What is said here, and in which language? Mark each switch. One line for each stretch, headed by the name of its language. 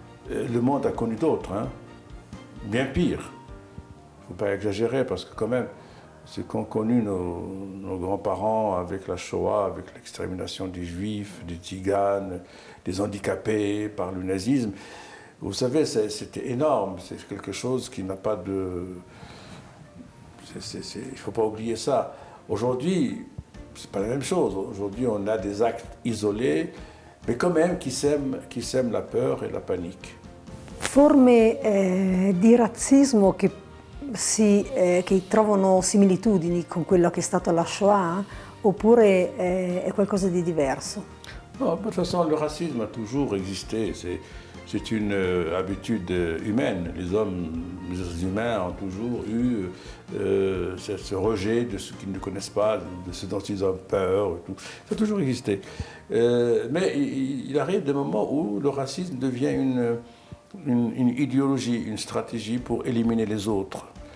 French: Le monde a connu d'autres, hein. Bien pire. Il ne faut pas exagérer parce que quand même, ce qu'ont connu nos grands-parents avec la Shoah, avec l'extermination des Juifs, des Tziganes, des handicapés par le nazisme, vous savez, c'était énorme. C'est quelque chose qui n'a pas de... Il ne faut pas oublier ça. Aujourd'hui, ce n'est pas la même chose. Aujourd'hui, on a des actes isolés, mais quand même qui sèment la peur et la panique.
Italian: Forme di razzismo che trovano similitudini con quello che è stato la Shoah, oppure è qualcosa di diverso?
French: Non, de toute façon, le racisme a toujours existé. C'est une habitude humaine. Les humains ont toujours eu ce rejet de ce qu'ils ne connaissent pas, de ce dont ils ont peur. Et tout. Ça a toujours existé. Mais il arrive des moments où le racisme devient une idéologie, une stratégie pour éliminer les autres.